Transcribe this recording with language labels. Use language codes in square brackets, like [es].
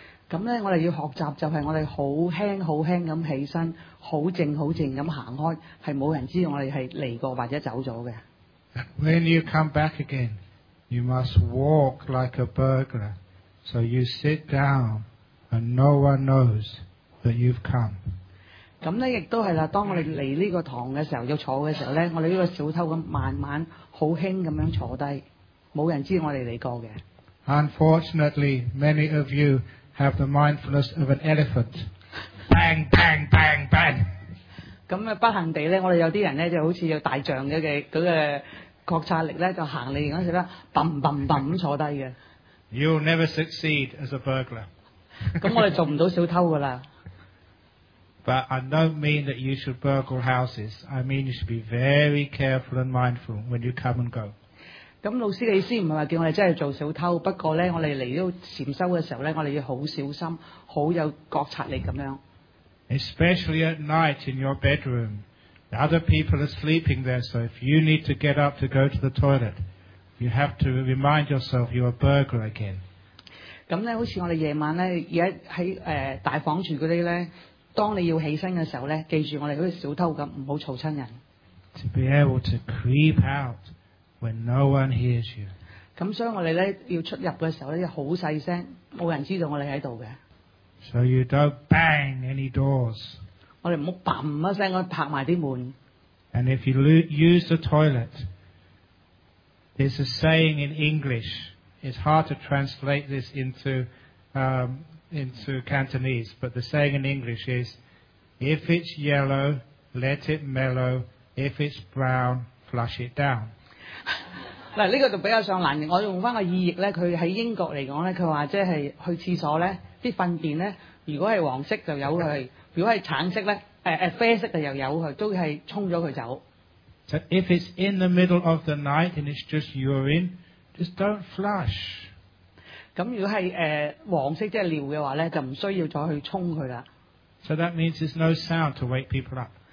[yue] 咁咧，我哋要學習就係我哋好輕咁起身，好靜咁行開，係冇人知道我哋係嚟過或者走咗嘅。 [en] When you come back again, you must walk like a burglar, so you sit down and no one knows that you've come. [yue] 咁咧，亦都係啦。當我哋嚟呢個堂嘅時候，要坐嘅時候咧，我哋呢個小偷咁慢慢好輕咁樣坐低，冇人知道我哋嚟過嘅。 [en] Unfortunately, many of you. Have the mindfulness of an elephant. Bang, bang, bang, bang. [yue] 咁啊，不幸地咧，我哋有啲人咧就好似有大象嘅嗰個覺察力咧，就行嚟嗰時咧，砰砰砰咁坐低嘅。 [en] You'll never succeed as a burglar. [yue] 咁我哋做唔到小偷噶啦。 [en] But I don't mean that you should burgle houses. I mean you should be very careful and mindful when you come and go. [yue] 咁老師，你意思唔係話叫我哋真係做小偷，不過咧，我哋嚟到禅修嘅時候咧，我哋要好小心，好有覺察力咁樣。 [en] Especially at night in your bedroom, the other people are sleeping there. So if you need to get up to go to the toilet, you have to remind yourself you're a burglar again. [yue] 咁咧，好似我哋夜晚咧，而喺大房住嗰啲咧，當你要起身嘅時候咧，記住我哋好似小偷咁，唔好嘈親人。 [en] To be able to creep out. When no one hears you. [yue] 咁所以我哋咧要出入嘅时候咧要好细声，冇人知道我哋喺度嘅。 [en] So you don't bang any doors. [yue] 我哋唔好砰一声咁拍埋啲门。 [en] And if you use the toilet, there's a saying in English. It's hard to translate this into Cantonese, but the saying in English is, if it's yellow, let it mellow. If it's brown, flush it down. [yue] 嗱，呢個就比較上難認。我用翻個意譯咧，佢喺英國嚟講咧，佢話即係去廁所咧，啲糞便咧，如果係黃色就由佢，如果係橙色咧，啡色就由佢，都係沖咗佢走。 [en] So if it's in the middle of the night and it's just urine, just don't flush. [yue] 咁如果係黃色即係尿嘅話咧，就唔需要再去沖佢啦。 [en] So that means there's no sound to wake people up.